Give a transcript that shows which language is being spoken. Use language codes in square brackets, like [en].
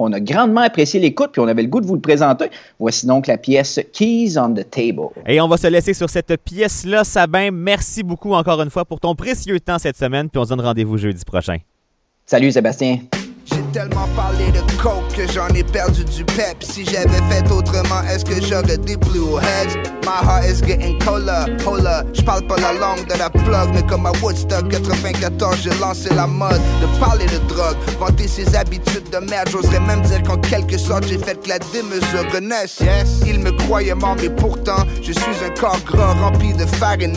[fr] On a grandement apprécié l'écoute, puis on avait le goût de vous le présenter. Voici donc la pièce Keys on the Table. Et on va se laisser sur cette pièce-là, Sabin. Merci beaucoup encore une fois pour ton précieux temps cette semaine, puis on se donne rendez-vous jeudi prochain. Salut, Sébastien. J'ai tellement parlé de coke que j'en ai perdu du pep. Si j'avais fait autrement, est-ce que j'aurais des blue heads? [en] My heart is getting colder, hola. [fr] J'parle pas la langue de la plug, mais comme à Woodstock 94, j'ai lancé la mode de parler de drogue, vanter ses habitudes de merde. J'oserais même dire qu'en quelque sorte, j'ai fait que la démesure renaisse. Yes. Ils me croyaient mort, mais pourtant, je suis un corps gras rempli de farine.